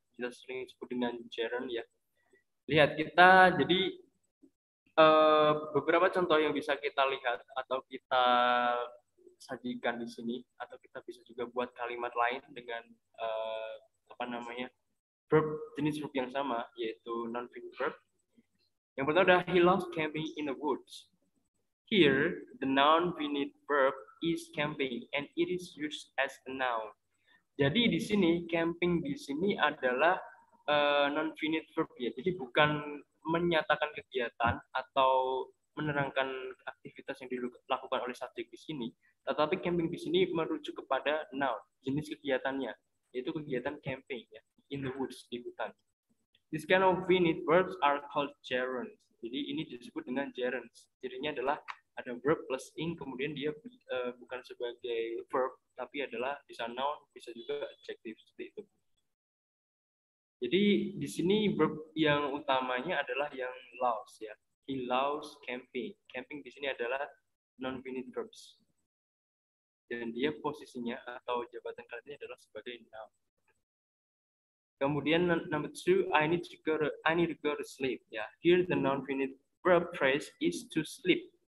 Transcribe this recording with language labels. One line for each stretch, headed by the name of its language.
Indonesian: Kita sering sebut dengan gerund ya. Lihat kita, jadi beberapa contoh yang bisa kita lihat atau kita sajikan di sini, atau kita bisa juga buat kalimat lain dengan apa namanya verb, jenis verb yang sama, yaitu non-finite verb. Yang pertama adalah
English: he loves camping in the woods. Here, the non-finite verb is camping and it is used as a noun.
Indonesian: Jadi di sini camping di sini adalah non-finite verb ya. Jadi bukan menyatakan kegiatan atau menerangkan aktivitas yang dilakukan oleh subjek di sini, tetapi camping di sini merujuk kepada noun, jenis kegiatannya, yaitu kegiatan camping ya,
English: in the woods,
Indonesian: di hutan.
English: This kind of finite verbs are called gerunds.
Indonesian: Jadi ini disebut dengan gerunds. Jadinya adalah ada verb plus ing, kemudian dia bukan sebagai verb, tapi adalah bisa noun, bisa juga adjective, seperti itu. Jadi di sini verb yang utamanya adalah yang loves ya.
English: He loves camping. Camping
Indonesian: di sini adalah
English: non-finite verbs.
Indonesian: Dan dia posisinya atau jabatan kalimatnya adalah sebagai noun.
English: Kemudian number two, I need to go to sleep. Ya, yeah. Here the non-finite verb phrase is to sleep.